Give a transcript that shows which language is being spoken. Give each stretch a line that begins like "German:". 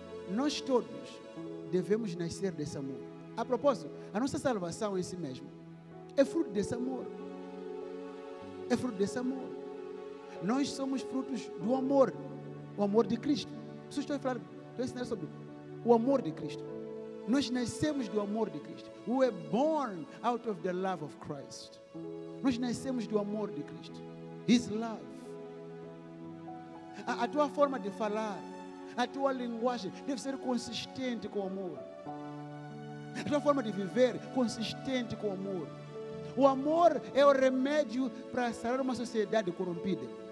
Portuguese: Nós todos devemos nascer desse amor. A propósito, a nossa salvação em si mesmo é fruto desse amor. É fruto desse amor. Nós somos frutos do amor. O amor de Cristo. Vocês estão a falar, estão a ensinar sobre o amor de Cristo. Nós nascemos do amor de Cristo.
English: We were born out of the love of Christ.
Portuguese: Nós nascemos do amor de Cristo.
English: His love.
Portuguese: A tua forma de falar, a tua linguagem deve ser consistente com o amor. A tua forma de viver, consistente com o amor. O amor é o remédio para sarar uma sociedade corrompida.